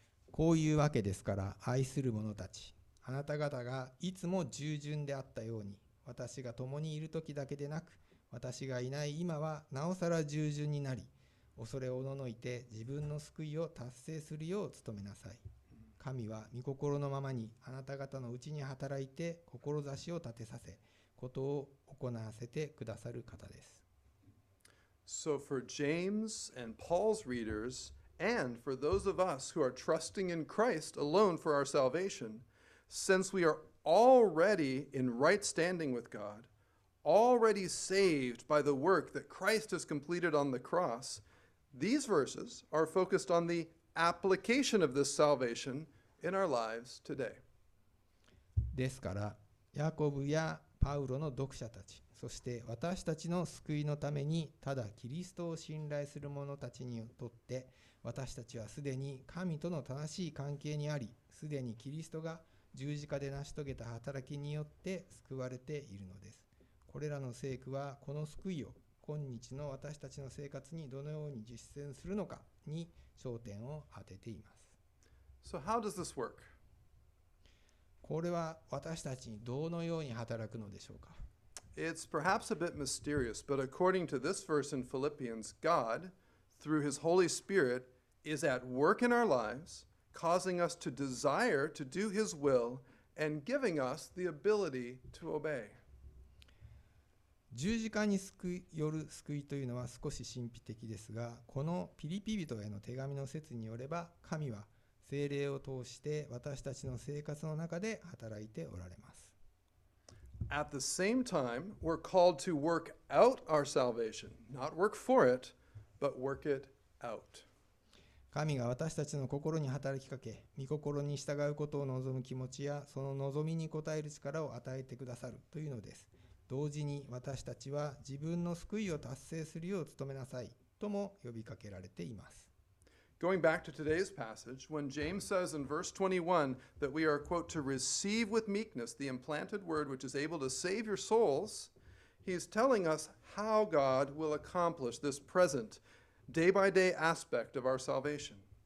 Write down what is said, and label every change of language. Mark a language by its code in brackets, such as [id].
[ja] こういうわけですから、愛する者たち、あなた方がいつも従順であったように、私が共にいる時だけでなく、私がいない今はなおさら従順になり、恐れおののいて自分の救いを達成するよう努めなさい。神は御心のままにあなた方のうちに働いて志を立てさせ、ことを行わせてくださる方です。 [en] So for James and Paul's readers, and for those of us who are trusting in Christ alone for our salvation, since we are already in right standing with God, already saved by the work that Christ has completed on the cross, these verses are focused on the application of this salvation in our lives today. [ja] ですから、ヤコブやパウロの読者たち、そして私たちの救いのためにただキリストを信頼する者たちにとって、私たちはすでに神との正しい関係にあり、すでにキリストが十字架で成し遂げた働きによって救われているのです。これらの聖句はこの救いを今日の私たちの生活にどのように実践するのかに焦点を当てています。 [en] So how does this work? [ja] これは私たちにどのように働くのでしょうか。 [en] It's perhaps a bit mysterious, but according to this verse in Philippians, God, through His Holy Spirit, is at work in our lives, causing us to desire to do His will and giving us the ability to obey. [ja] 十字架による救いというのは少し神秘的ですが、このピリピ人への手紙の説によれば、神は聖霊を通して私たちの生活の中で働いておられます。 [en] At the same time, we're called to work out our salvation, not work for it, but work it out. [ja] 神が私たちの心に働きかけ、御心に従うことを望む気持ちや、その望みに応える力を与えてくださるというのです。同時に私たちは自分の救いを達成するよう努めなさいとも呼びかけられています。 [en] Going back to today's passage, when James says in verse 21 that we are, quote, to receive with meekness the implanted word which is able to save your souls, he's telling us how God will accomplish this present, day by day aspect of our salvation.